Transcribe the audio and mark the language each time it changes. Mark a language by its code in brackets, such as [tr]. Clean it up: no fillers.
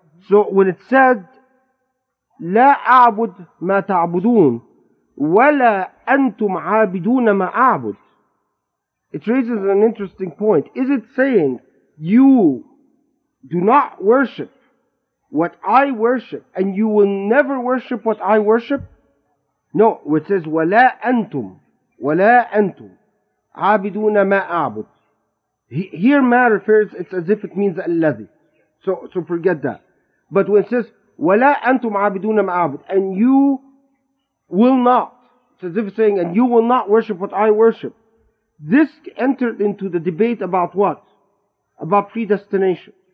[en] So when it said [ar] لا أعبد ما تعبدون ولا أنتم عابدون ما أعبد, [en] it raises an interesting point. Is it saying you do not worship what I worship and you will never worship what I worship? No, it says [ar] ولا أنتم عابدون ما أعبد. [en] Here ما refers, it's as if it means الذي. So forget that. But when it says [ar] ولا أنتم عابدون ما أعبد, [en] and you will not, it's as if it's saying, and you will not worship what I worship. This entered into the debate about what? About predestination.